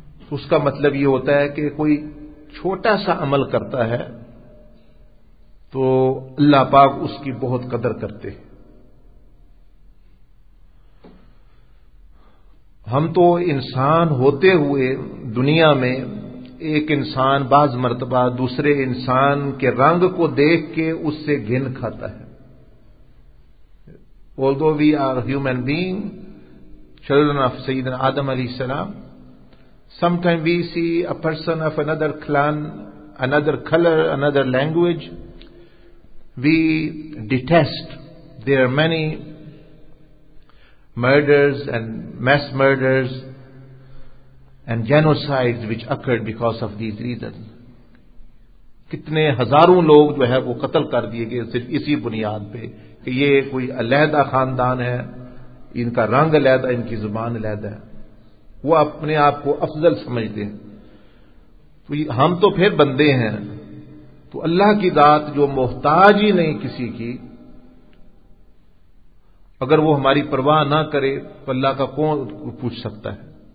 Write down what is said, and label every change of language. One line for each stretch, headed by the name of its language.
Urdu: اس کا مطلب یہ ہوتا ہے کہ کوئی چھوٹا سا عمل کرتا ہے تو اللہ پاک اس کی بہت قدر کرتے. ہم تو انسان ہوتے ہوئے دنیا میں ایک انسان بعض مرتبہ دوسرے انسان کے رنگ کو دیکھ کے اس سے گھن کھاتا ہے.
English: Although we are human being, children of Sayyidina Adam alayhi salam, sometimes we see a person of another clan, another color, another language, we detest their many murders and mass murders and genocides which occurred because of these reasons.
Urdu: کتنے ہزاروں لوگ جو ہے وہ قتل کر دیے گئے صرف اسی بنیاد پہ کہ یہ کوئی علیحدہ خاندان ہے، ان کا رنگ علیحدہ، ان کی زبان علیحدہ ہے، وہ اپنے آپ کو افضل سمجھتے ہیں. تو ہم تو پھر بندے ہیں، تو اللہ کی ذات جو محتاج ہی نہیں کسی کی، اگر وہ ہماری پرواہ نہ کرے تو اللہ کا کون پوچھ سکتا ہے.